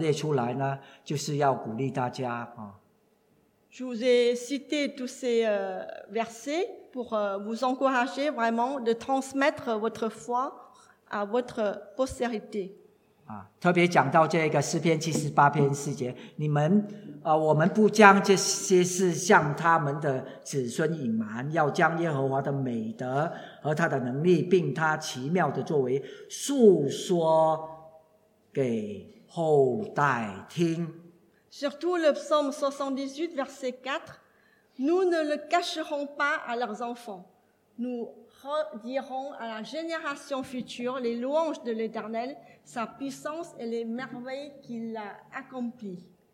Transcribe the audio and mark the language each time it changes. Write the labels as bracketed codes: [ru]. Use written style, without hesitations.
[zh] 我们接下来也是看到很多的经文呢，我列出来呢，就是要鼓励大家。 [fr] Je vous ai cité tous ces versets pour vous encourager vraiment de transmettre votre foi à votre postérité. [zh] 特别讲到这个诗篇78篇4节，你们，我们不将这些事向他们的子孙隐瞒，要将耶和华的美德和他的能力，并他奇妙的作为述说给后代听。 [fr] Surtout le psaume 78, verset 4, nous ne le cacherons pas à leurs enfants. Nous redirons à la génération future les louanges de l'Éternel, sa puissance et les merveilles qu'il a accomplies.